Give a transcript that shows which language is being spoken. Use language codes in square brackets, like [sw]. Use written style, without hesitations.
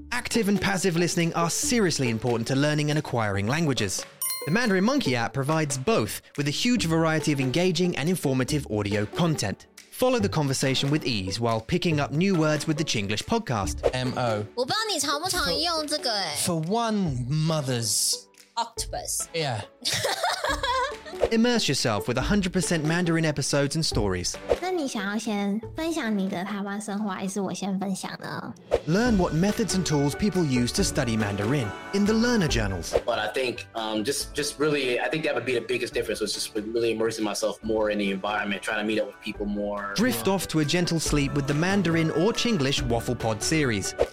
[en] Active and passive listening are seriously important to learning and acquiring languages. The Mandarin Monkey app provides both with a huge variety of engaging and informative audio content. Follow the conversation with ease while picking up new words with the Chinglish podcast. M-O. [zh] 我不知道你常不常用这个诶。 [en] For one mother's... Octopus. Yeah. Immerse yourself with 100% Mandarin episodes and stories. [zh] 那你想要先分享你的台湾生活还是我先分享呢? [en] Learn what methods and tools people use to study Mandarin in the learner journals. But I think just really, I think that would be the biggest difference was just really immersing myself more in the environment, trying to meet up with people more. Drift off to a gentle sleep with the Mandarin or Chinglish Waffle Pod series.